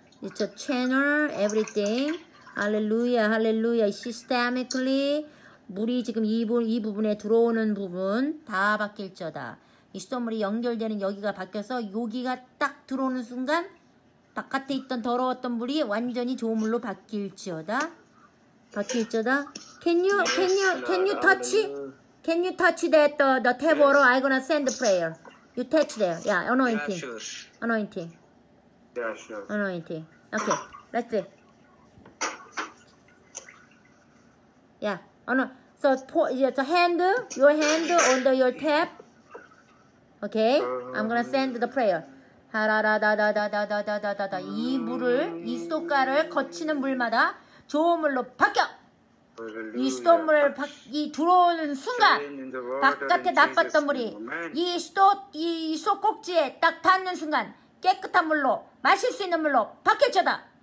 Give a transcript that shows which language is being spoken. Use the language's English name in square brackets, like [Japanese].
[English] It's a channel, everything. Hallelujah, hallelujah. [Korean] Systemically, 물이 지금 이 부분에 들어오는 부분 다 바뀔지어다. 이 수돗물이 연결되는 여기가 바뀌어서 여기가 딱 들어오는 순간 바깥에 있던 더러웠던 물이 완전히 좋은 물로 바뀔지어다. 바뀔지어다. Can you touch? [English] Can you touch that, the tap water? I'm gonna send a prayer. You touch there. Yeah, anointing. Anointing. Anointing. Okay, let's see. Yeah, oh no. So, the hand, your hand under your tap. Okay, I'm gonna send the prayer. [Korean] 하라라다다다다다다다다. 이 물을, 이 수도가를 거치는 물마다 좋은 물로 바뀌어! 이 수돗물을, 이 들어오는 순간, 바깥에 나빴던 물이 이 수도꼭지에 딱 닿는 순간, 깨끗한 물로, 마실 수 있는 물로 바뀌어져다!